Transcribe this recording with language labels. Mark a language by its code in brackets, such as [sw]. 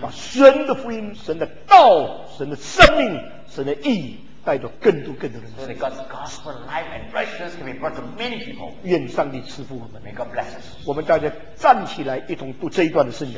[zh] 把神的福音神的道神的生命神的义带着更多更多人 [en] so that God's gospel life and righteousness can be brought to many people [zh] 愿上帝赐福我们 [en] may God bless us [zh] 我们大家站起来一同读这一段的圣经